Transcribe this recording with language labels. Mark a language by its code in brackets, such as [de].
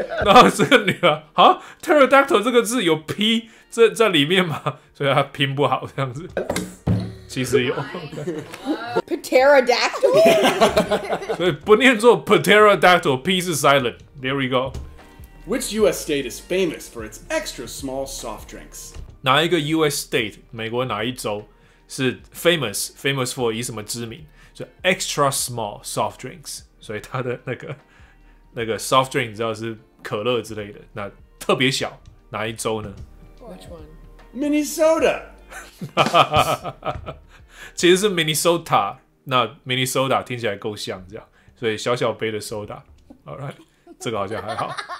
[zh] 然后这个女儿啊 ，pterodactyl 这个字有 p 在里面嘛，所以她拼不好这样子。其实有 [en] pterodactyl， [zh] 所以不念作 pterodactyl， p 是 silent。 [en] There we go。 Which U.S. state is famous for its extra small soft drinks？ [zh] 哪一个 U.S. state， 美国哪一州是 [en] famous for [zh] 以什么知名？就 extra small soft drinks， 所以它的那个。那个 soft drink 你知道是可乐之类的，那特别小，哪一州呢 [en] ？Which one？Minnesota， [zh] 其实是 Minnesota， 那 Minnesota 听起来够像这样，所以小小杯的 soda， [en] all right， [zh] 这个好像还好。